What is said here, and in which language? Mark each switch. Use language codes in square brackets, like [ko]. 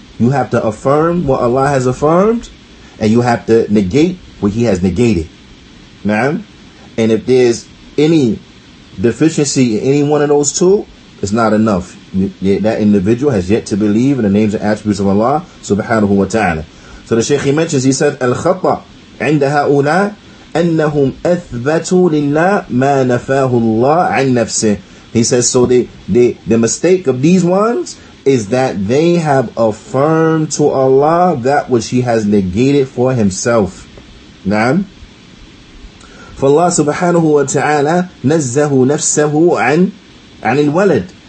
[en] You have to affirm what Allah has affirmed, and you have to negate what He has negated. Man, and if there's any deficiency in any one of those two, it's not enough. That individual has yet to believe in the names and attributes of Allah subhanahu wa ta'ala. So the Shaykh, he mentions, he said, [ar] Al-Khata' عند هؤلاء أنهم أثبتوا لله ما نفاه الله عن نفسه. [en] He says, so the mistake of these ones is that they have affirmed to Allah that which He has negated for Himself. [ar] Man. فالله سبحانه وتعالى نزه نفسه عن الولد.